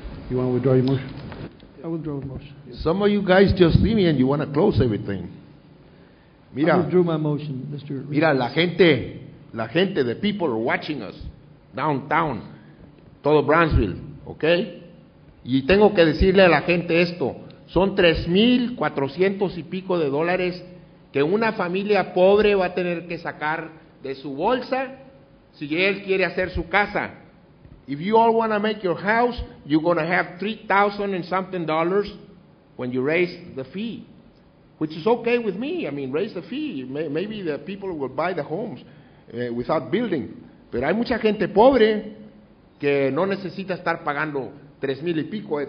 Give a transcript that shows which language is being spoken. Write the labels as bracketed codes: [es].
[en] You want to withdraw your motion? I withdraw the motion. Some of you guys just see me and you want to close everything. Mira, I withdrew my motion, Mr. [es] Mira, la gente, [en] the people are watching us downtown, [es] todo Brownsville, [en] okay? [es] Y tengo que decirle a la gente esto. Son 3,400 y pico de dólares que una familia pobre va a tener que sacar de su bolsa si él quiere hacer su casa. [en] If you all want to make your house, you're going to have $3,000 and something dollars when you raise the fee. which is okay with me. I mean, raise the fee. Maybe the people will buy the homes without building. [es] Pero hay mucha gente pobre que no necesita estar pagando 3,000 y pico.